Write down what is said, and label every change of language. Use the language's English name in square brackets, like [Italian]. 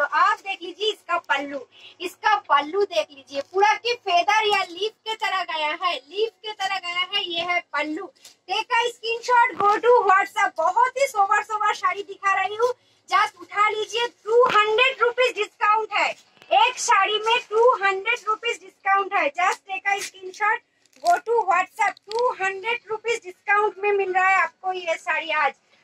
[Hindi] आप देख लीजिए इसका पल्लू देख लीजिए पूरा की फेदर या लीफ के तरह गया है। ये है पल्लू, [English] Take a screenshot, go to WhatsApp. [Hindi] बहुत ही सोवर साड़ी दिखा रही हूँ, जस्ट उठा लीजिए। 200 रुपीज डिस्काउंट है एक साड़ी में, 200 रुपीज डिस्काउंट है। [English] Just take a screenshot, go to WhatsApp. [Hindi] 200 rupees discount में मिल रहा है आपको ये साड़ी आज।